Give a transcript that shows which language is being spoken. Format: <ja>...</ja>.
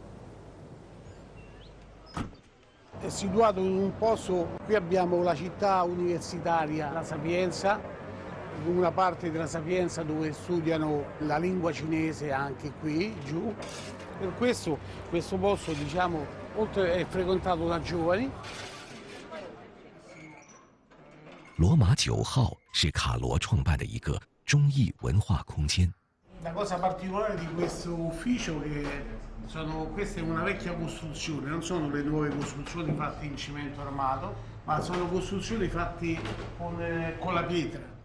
<zh>也随着这部儿童剧走向了世界。</zh> <it>È situato in un posto, qui abbiamo la città universitaria La Sapienza. Una parte della Sapienza dove studiano la lingua cinese anche qui giù. Per questo posto diciamo oltre è frequentato da giovani.</it> <zh>罗马九号是卡罗创办的一个中意文化空间。</zh> <it>La cosa particolare di questo ufficio è che questa è una vecchia costruzione, non sono le nuove costruzioni fatte in cemento armato, ma sono costruzioni fatte con la pietra.</it>